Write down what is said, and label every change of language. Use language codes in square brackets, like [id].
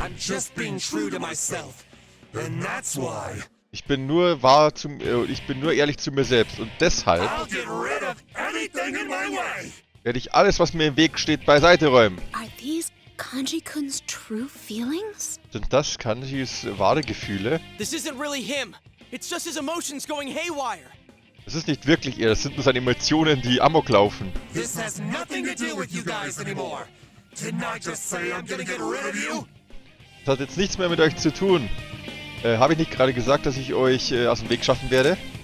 [en] I'm just being true to myself, and that's why. [de] Ich bin nur wahr zu mir, ich bin nur ehrlich zu mir selbst und deshalb [en] I'll get rid of anything in my way. [de] Werde ich alles, was mir im Weg steht, beiseite räumen. [en] Are these Kanji-kun's true feelings? [de] Sind das Kanji's wahre Gefühle? [en] This isn't really him. It's just his emotions going haywire. [de] Es ist nicht wirklich er, es sind nur seine Emotionen, die amok laufen. [en] This has nothing to do with you guys anymore. Didn't I just say I'm gonna get rid of you? [de] Das hat jetzt nichts mehr mit euch zu tun. Habe ich nicht gerade gesagt, dass ich euch aus dem Weg schaffen werde?